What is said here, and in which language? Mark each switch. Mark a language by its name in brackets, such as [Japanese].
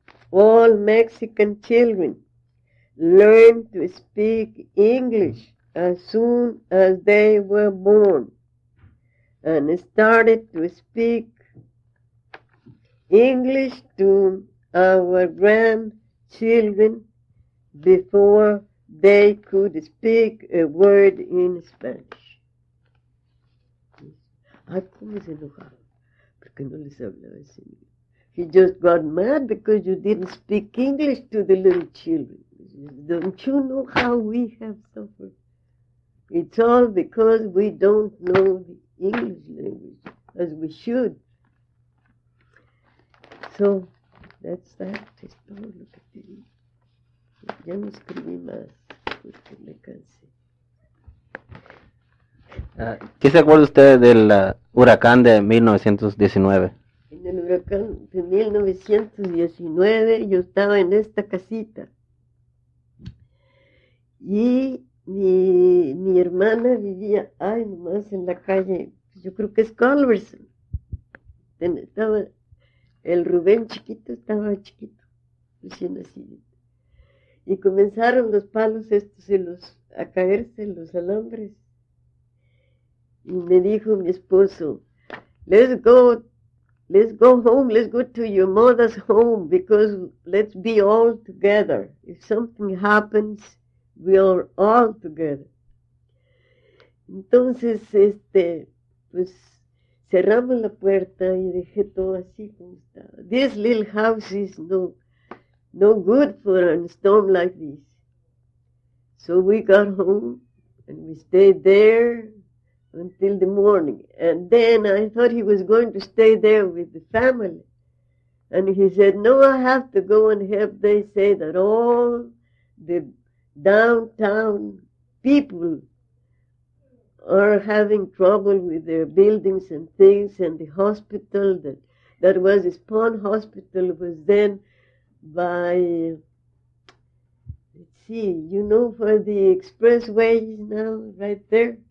[English] all Mexican children learned to speak English as soon as they were born, and started to speak English to our grandchildren before they could speak a word in Spanish. [Spanish] Ay, cómo se enojaron, porque no les hablaba así. [English] He just got mad because you didn't speak English to the little children. Don't you know how we have suffered? It's all because we don't know the English language as we should. So, that's that. [Spanish] Estoy lo que te digo. Ya no escribí más porque me cansé. ¿Qué se acuerda usted del huracán de 1919? En el huracán de 1919 yo estaba en esta casita. Y mi hermana vivía, ay, nomás en la calle, yo creo que es Culverson. Estaba el Rubén chiquito, estaba chiquito, recién nacido. Y comenzaron los palos estos a caerse en los alambres. Y me dijo mi esposo, [English] let's go home, let's go to your mother's home, because let's be all together. If something happens, we are all together. [Spanish] Entonces, pues, cerramos la puerta y dejé todo así como estaba. [English] This little house is no good for a storm like this. So we got home and we stayed there until the morning. And then I thought he was going to stay there with the family. And he said, no, I have to go and help. They say that all the downtown people are having trouble with their buildings and things, and the hospital that was the Spahn Hospital was then by, let's see, you know where the expressway is now, right there?